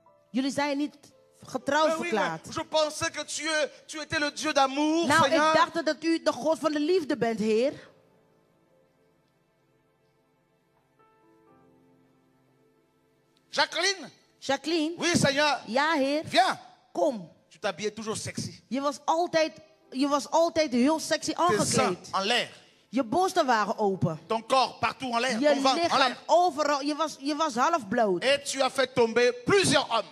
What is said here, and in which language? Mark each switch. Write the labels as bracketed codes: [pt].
[nl] Jullie zijn niet getrouwd verklaard. [fr] Je pensais que tu étais le Dieu d'amour, nou, Seigneur. [nl] Ik dacht dat u de God van de liefde bent, Heer. Jacqueline. Jacqueline. [fr] Oui, Seigneur. [nl] Ja, Heer. [fr] Viens. [nl] Kom. [fr] Tu t'habillais toujours sexy. [nl] Je was altijd heel sexy aangekleed. [fr] En l'air. [nl] Je borsten waren open. [fr] Ton corps partout en l'air. [nl] Je lichaam overal. Je was half bloot. [fr] Et tu as fait tomber plusieurs hommes.